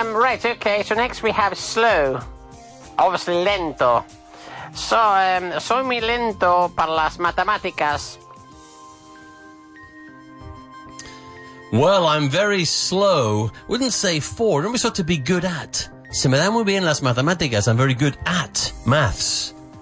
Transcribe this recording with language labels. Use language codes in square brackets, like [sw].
[en] Right, okay, so next we have slow, obviously lento. [es] So, soy muy lento para las matemáticas. [en] Well, I'm very slow. Wouldn't say for, don't we sort to be good at? [es] Se me da muy bien las matemáticas, [en] I'm very good at maths.